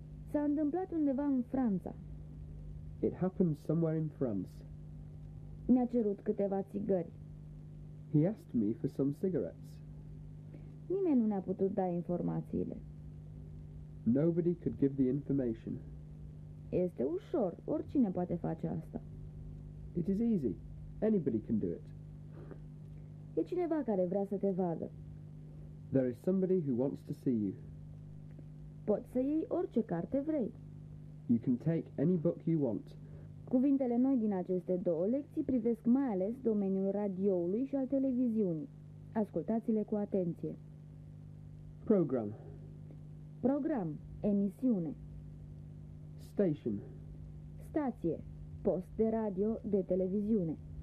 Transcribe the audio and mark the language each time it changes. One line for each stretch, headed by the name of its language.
Romanian: S-a întâmplat undeva în Franța.
English: It happened somewhere in France.
Romanian: Mi-a cerut câteva țigări.
English: He asked me for some cigarettes.
Romanian: Nimeni nu ne-a putut da informațiile.
English: Nobody could give the information.
Romanian: Este ușor, oricine poate face asta.
English: It is easy, Anybody can do it.
Romanian: E cineva care vrea să te vadă.
English: There is somebody who wants to see you.
Romanian: Poți să iei orice carte vrei.
English: You can take any book you want.
Romanian: Cuvintele noi din aceste două lecții privesc mai ales domeniul radioului și al televiziunii. Ascultați-le cu atenție.
English: Program.
Romanian: Program, emisiune.
English: Station.
Romanian: Stație, post de radio, de televiziune.